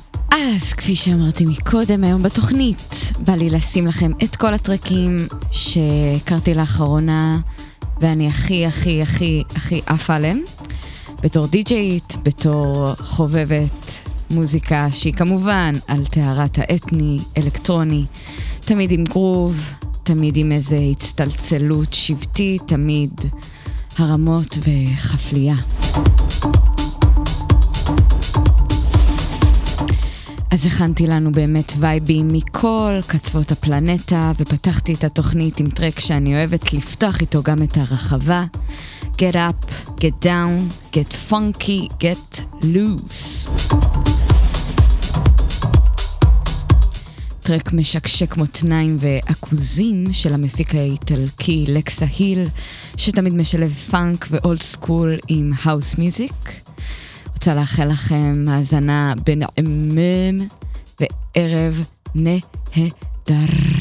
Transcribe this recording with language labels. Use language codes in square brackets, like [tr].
[he] אז כפי שאמרתי מקודם, היום בתוכנית בא לי לשים לכם את כל הטרקים שהכרתי לאחרונה, ואני הכי הכי הכי הכי אף עליהם, בתור די-ג'יית, בתור חובבת מוזיקה שהיא כמובן על תארת האתני, אלקטרוני, תמיד עם גרוב, תמיד עם איזה הצטלצלות שבטי, תמיד הרמות וחפליה. אז הכנתי לנו באמת וייבים מכל קצוות הפלנטה, ופתחתי את התוכנית עם טרק שאני אוהבת לפתוח איתו גם את הרחבה. [en] Get up, get down, get funky, get loose. [he] טרק משקשק מותניים ואקוזים של המפיק האיטלקי לקסה היל, שתמיד משלב פאנק ואולד סקול עם האוס מיוזיק. רוצה לאחל לכם האזנה בנעימים וערב נהדר.